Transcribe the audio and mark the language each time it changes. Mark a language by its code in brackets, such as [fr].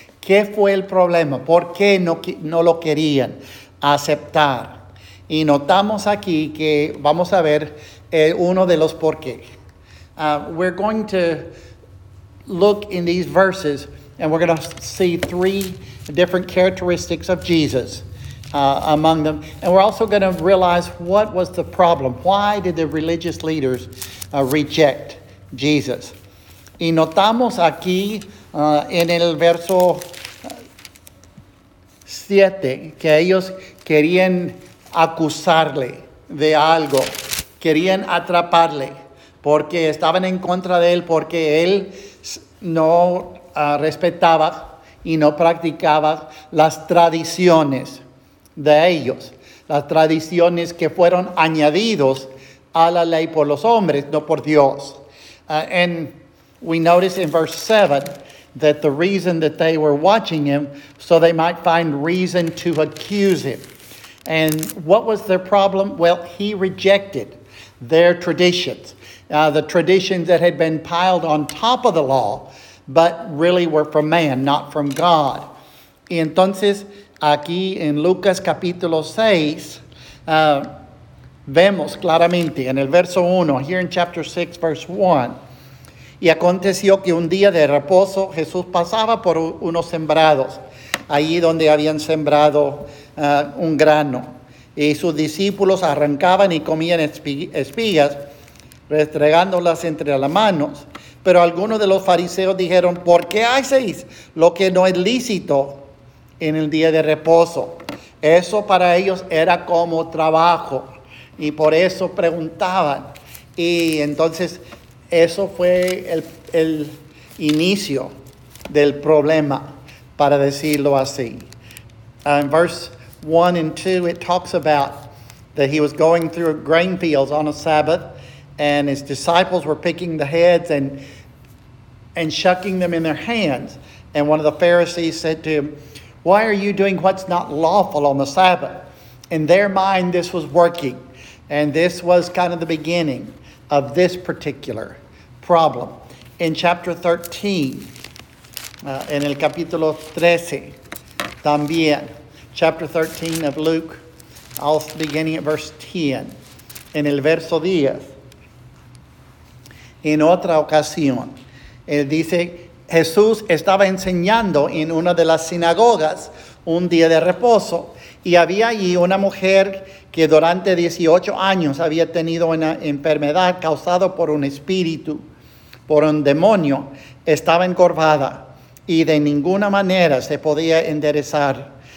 [es] ¿Qué fue el problema? ¿Por qué no lo querían aceptar? Y notamos aquí que vamos a ver uno de los por qué. [en] We're going to look in these verses and we're going to see three different characteristics of Jesus among them. And we're also going to realize what was the problem. Why did the religious leaders reject Jesus? [es] Y notamos aquí en el verso 7 que ellos querían acusarle de algo, querían atraparle porque estaban en contra de él, porque él no respetaba y no practicaba las tradiciones de ellos, las tradiciones que fueron añadidos a la ley por los hombres, no por Dios. [en] And we notice in verse 7 that the reason that they were watching him so they might find reason to accuse him. And what was their problem? Well, he rejected their traditions, the traditions that had been piled on top of the law, but really were from man, not from God. [es] Y entonces, aquí en Lucas capítulo 6, vemos claramente en el verso 1, [en] here in chapter 6, verse 1, [es] y aconteció que un día de reposo Jesús pasaba por unos sembrados, allí donde habían sembrado un grano. Y sus discípulos arrancaban y comían espigas, restregándolas entre las manos. Pero algunos de los fariseos dijeron, ¿por qué hacéis lo que no es lícito en el día de reposo? Eso para ellos era como trabajo. Y por eso preguntaban. Y entonces eso fue el inicio del problema, para decirlo así. [en] In verse 1 and 2, it talks about that he was going through grain fields on a Sabbath, and his disciples were picking the heads and shucking them in their hands. And one of the Pharisees said to him, why are you doing what's not lawful on the Sabbath? In their mind, this was working. And this was kind of the beginning of this particular problem. In chapter 13, [es] en el capítulo 13, también, [en] chapter 13 of Luke, also beginning at verse 10, [es] en el verso 10, en otra ocasión, él dice, Jesús estaba enseñando en una de las sinagogas un día de reposo, y había allí una mujer que durante 18 años había tenido una enfermedad causada por un espíritu, por un demonio, estaba encorvada y de ninguna manera se podía enderezar.